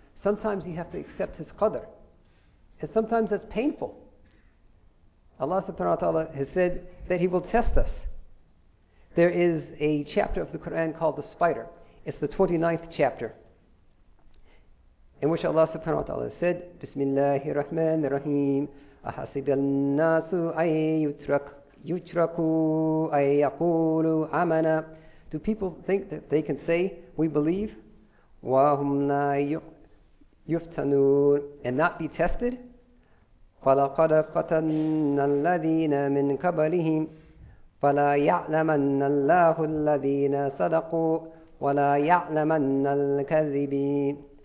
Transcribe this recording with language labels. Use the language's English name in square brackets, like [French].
[English] Sometimes you have to accept his qadr. And sometimes that's painful. Allah subhanahu wa ta'ala has said that he will test us. There is a chapter of the Quran called the spider. It's the 29th chapter. In which Allah subhanahu wa ta'ala said, Bismillahir Rahmanir Rahim. [Arabic] أحسب الناس أن يتركوا أن يقولوا آمنا. [English] Do people think that they can say, we believe? [Arabic] وَهُمْ لَا يُفْتَنُونَ. [English] And not be tested? [Arabic] فَلَقَدْ فَتَنَّ الَّذِينَ مِنْ قَبَلِهِمْ فَلَا يَعْلَمَنَّ اللَّهُ الَّذِينَ صَدَقُوا وَلَا يَعْلَمَنَّ الْكَذِبِينَ.